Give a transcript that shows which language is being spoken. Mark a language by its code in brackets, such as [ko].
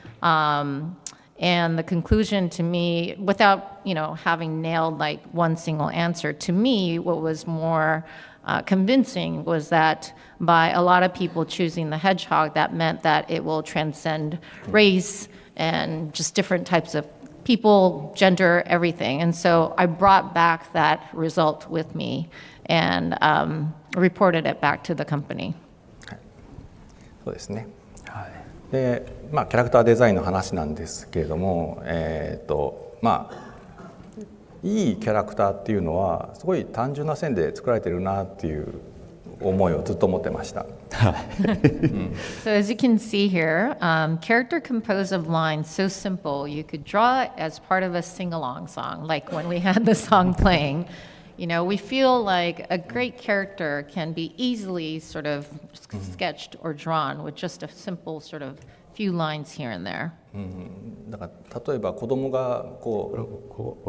[en] And the conclusion to me, without, you know, having nailed like one single answer, to me, what was more convincing was that by a lot of people choosing the hedgehog, that meant that it will transcend race and just different types of people, gender, everything. And so I brought back that result with me and reported it back to the company. [ja] そうですね。はい。で、まあキャラクターデザインの話なんですけれども、まあいいキャラクターっていうのはすごい単純な線で作られてるなっていう思いをずっと持ってました。 [en] So as you can see here, character composed of lines so simple you could draw as part of a sing-along song, like when we had the song playing. You know, we feel like a great character can be easily sort of sketched or drawn with just a simple sort of few lines here and there. [ja] だから例えば子供がこう、